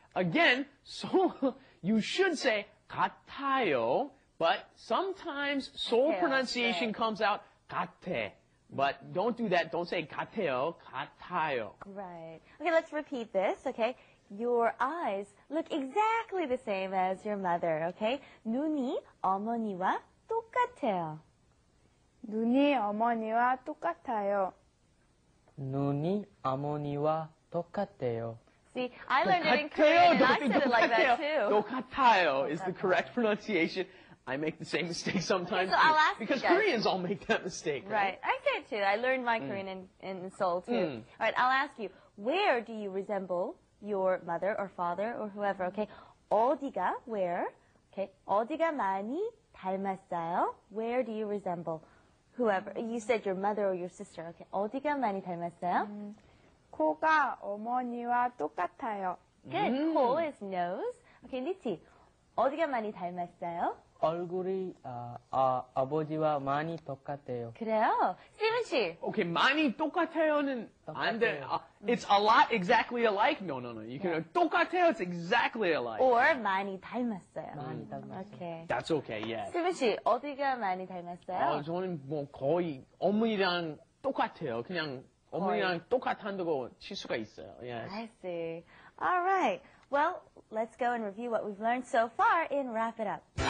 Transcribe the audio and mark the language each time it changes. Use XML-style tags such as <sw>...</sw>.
<en>Again, so you should say katayo, but sometimes Seoul pronunciation comes out kate. But don't do that. Don't say kateo. Katayo. Right. Okay, let's repeat this, okay? Your eyes look exactly the same as your mother, okay?</en> <ko>눈이 어머니와 똑같아요. 눈이 어머니와 똑같아요. 눈이 어머니와 똑같아요.</ko> <en>See, I learned it in Korean and I said it like that too. 똑같아요 is the correct pronunciation. I make the same mistake sometimes. Okay, so I'll ask because you guys. Koreans all make that mistake. Right, right? I say it too. I learned my Korean in Seoul too. All right, I'll ask you, where do you resemble your mother or father or whoever, okay?</en> <ko>어디가,</ko> <en>where?</en> <ko>Okay, 어디가 많이 닮았어요?</ko> <en>Where do you resemble whoever? You said your mother or your sister, okay?</en> <ko>어디가 많이 닮았어요? 코가 어머니와 똑같아요.</ko> <en>Good, Ko is nose.</en> <ko>Okay, 니티, 어디가 많이 닮았어요? 얼굴이 아버지와 많이 똑같아요. 그래요? 스티븐 씨. Okay, 많이 똑같아요는 안 돼.</ko> <en>It's a lot exactly alike. No, no, no. You can 똑같아요. It's exactly alike.</en> <ko>Or 많이 닮았어요. 많이 닮았어요.</ko> <en>Okay. That's okay. Yeah.</en> <ko>스티븐 씨, 어디가 많이 닮았어요? 저는 뭐 거의 어머니랑 똑같아요. 그냥 어머니랑 똑같다고 칠 수가 있어요.</ko> <en>Yes. I see. All right. Well, let's go and review what we've learned so far and wrap it up.</en>